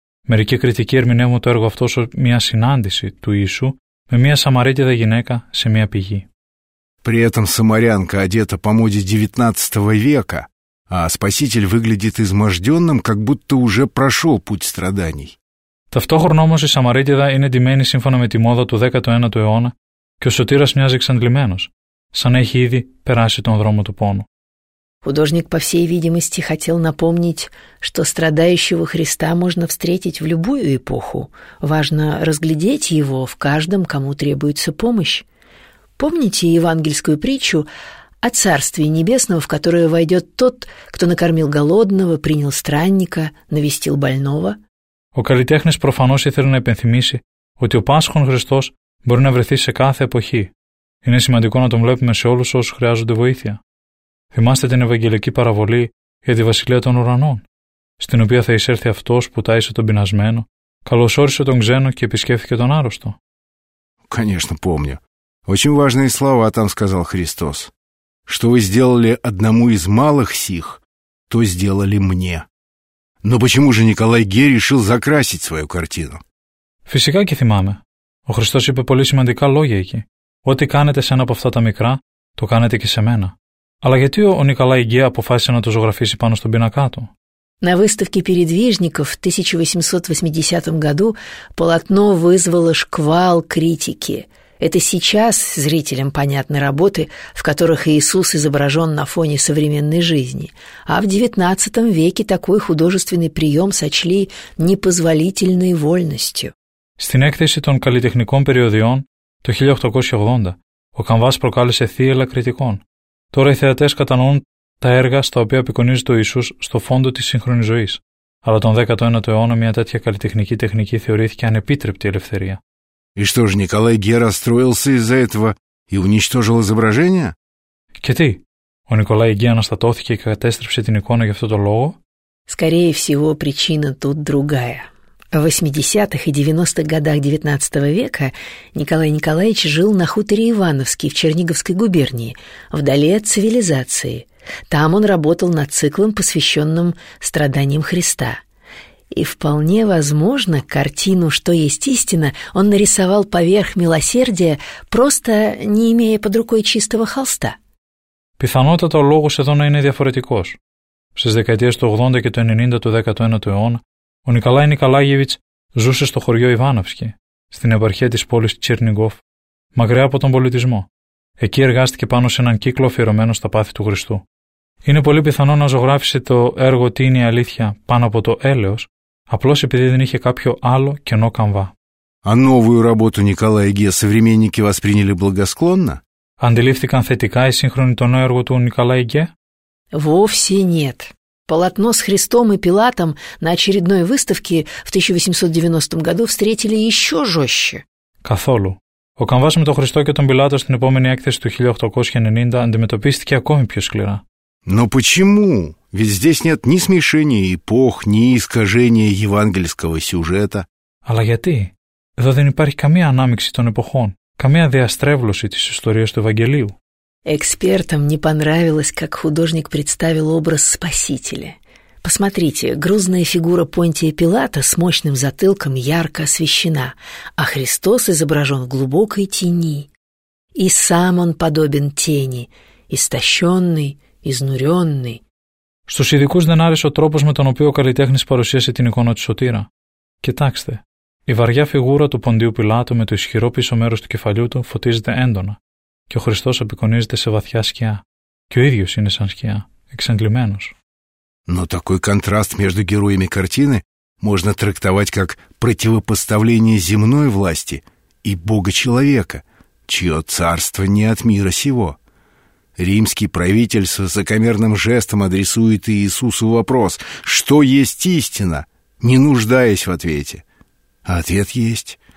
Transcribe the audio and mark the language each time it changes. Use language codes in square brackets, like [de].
[el] Μερικοί κριτικοί ερμηνεύουν το έργο αυτό ως μια συνάντηση του Ιησού με μια Σαμαρίτιδα γυναίκα σε μια πηγή. [ru] При этом Самарянка одета по моде 19 века, а Спаситель выглядит изможденным, как будто уже прошел путь страданий. [el] Ταυτόχρονα όμως η Σαμαρίτιδα είναι ντυμένη σύμφωνα με τη μόδα του 19ου αιώνα και ο Σωτήρας μοιάζει εξαντλημένος, σαν να έχει ήδη περάσει τον δρόμο του πόνου. [ru] Художник, по всей видимости, хотел напомнить, что страдающего Христа можно встретить в любую эпоху. Важно разглядеть его в каждом, кому требуется помощь. Помните евангельскую притчу о Царстве Небесном, в которое войдет тот, кто накормил голодного, принял странника, навестил больного? [el] Ο καλλιτέχνης προφανώς ήθελε να υπενθυμίσει ότι ο Πάσχων Χριστός μπορεί να βρεθεί σε κάθε εποχή. Είναι σημαντικό να τον βλέπουμε σε όλους όσους χρειάζονται βοήθεια. Θυμάστε την Ευαγγελική παραβολή για τη Βασιλεία των Ουρανών, στην οποία θα εισέλθει αυτός που τάισε τον πεινασμένο, καλωσόρισε τον ξένο και επισκέφθηκε τον άρρωστο. [ru] Конечно, помню. Очень важные слова там сказал Христос. Что вы сделали одному из малых сих, то сделали мне. Но почему же Николай Гей решил закрасить свою картину? [el] Φυσικά και θυμάμαι. Ο Χριστός είπε πολύ σημαντικά λόγια εκεί. Ό,τι κάνετε σε ένα από αυτά τα μικρά, το κάνετε και σε μένα. Αλλά γιατί ο Νικολάη Γκέ αποφάσισε να το ζωγραφίσει πάνω στον πίνακά του? [ru] На выставке передвижников в 1880 году полотно вызвало шквал критики. Это сейчас зрителям понятны работы, в которых Иисус изображен на фоне современной жизни. А в XIX веке такой художественный прием сочли непозволительной вольностью. [el] Στην έκθεση των καλλιτεχνικών περιοδιών το 1880 ο Καμβάς προκάλεσε θύελλα κριτικών. Τώρα οι θεατές κατανοούν τα έργα στα οποία απεικονίζεται ο Ιησούς στο φόντο της σύγχρονης ζωής. Αλλά τον 19ο αιώνα μια τέτοια καλλιτεχνική τεχνική θεωρήθηκε ανεπίτρεπτη ελευθερία. [ru] И что же, Николай Гей расстроился из-за этого и уничтожил изображение? [el] Και τι, ο Николай Гей αναστατώθηκε και κατέστρεψε την εικόνα για αυτόν τον λόγο? [ru] Скорее всего, причина тут другая. В 80-х и 90-х годах XIX века Николай Николаевич жил на хуторе Ивановский в Черниговской губернии, вдали от цивилизации. Там он работал над циклом, посвященным страданиям Христа. И вполне возможно, картину «Что есть истина» он нарисовал поверх милосердия, просто не имея под рукой чистого холста. [el] Пифанотата логус εδώ να είναι διαφορετικός. Στις δεκαετίες του 80 και του 90 του 19ου αιώνα, ο Νικολάη Νικολάγεβιτς ζούσε στο χωριό Ιβάνοφσκι, στην επαρχία της πόλης Τσερνιγκόφ, μακριά από τον πολιτισμό. Εκεί εργάστηκε πάνω σε έναν κύκλο αφιερωμένο στα πάθη του Χριστού. Είναι πολύ πιθανό να ζωγράφισε το έργο «Τι είναι η αλήθεια» πάνω από το έλεος, απλώς επειδή δεν είχε κάποιο άλλο κενό καμβά. [ru] Αν новую работу Николая Гея современники восприняли благосклонно? [el] Αντιλήφθηκαν θετικά οι σύγχρονοι το νέο έργο του Николая Гея? [ru] Вовсе нет. Полотно с Христом и Пилатом на очередной выставке в 1890 году встретили еще жестче. [el] Καθόλου. Ο καμβάς με τον Χριστό και τον Πιλάτο στην επόμενη έκθεση του 1890 αντιμετωπίστηκε ακόμη πιο σκληρά. [ru] Но почему? Ведь здесь нет ни смешения эпох, ни искажения евангельского сюжета. [el] Αλλά γιατί? Εδώ δεν υπάρχει καμία ανάμειξη των εποχών, καμία διαστρέβλωση της ιστορίας του Ευαγγελίου. [ru] Экспертам не понравилось, как художник представил образ Спасителя. Посмотрите, грузная фигура Понтия Пилата с мощным затылком ярко освещена, а Христос изображен в глубокой тени. И сам он подобен тени, истощенный, изнуренный. [el] Στους ειδικούς δεν άρεσε ο τρόπος με τον οποίο ο καλλιτέχνης παρουσίασε την εικόνα του Σωτήρα. Κοιτάξτε, η βαριά φιγούρα του Ποντίου Πιλάτου με το ισχυρό πίσω μέρος του κεφαλιού του φωτίζεται έντονα και ο Χριστός απεικονίζεται σε βαθιά σκιά και ο ίδιος είναι σαν σκιά, εξαντλημένος. [ru] Но такой контраст между героями картины можно трактовать как противопоставление земной власти и Бога-человека, чье царство не от мира сего. Римский правитель с высокомерным жестом адресует Иисусу вопрос, что есть истина, не нуждаясь в ответе. А ответ есть.